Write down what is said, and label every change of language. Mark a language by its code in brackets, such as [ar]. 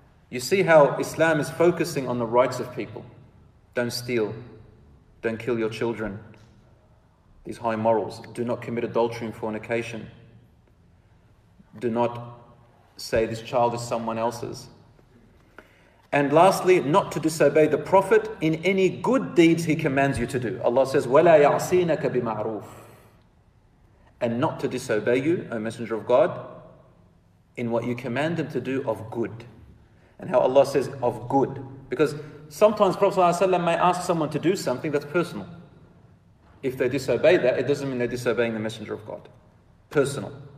[en] You see how Islam is focusing on the rights of people. Don't steal. Don't kill your children. These high morals. Do not commit adultery and fornication. Do not say this child is someone else's. And lastly, not to disobey the Prophet in any good deeds he commands you to do. Allah says, [ar] وَلَا يَعْصِينَكَ بِمَعْرُوفِ. [en] And not to disobey you, O Messenger of God, in what you command them to do of good. And how Allah says, of good. Because sometimes Prophet ﷺ may ask someone to do something that's personal. If they disobey that, it doesn't mean they're disobeying the Messenger of God. Personal.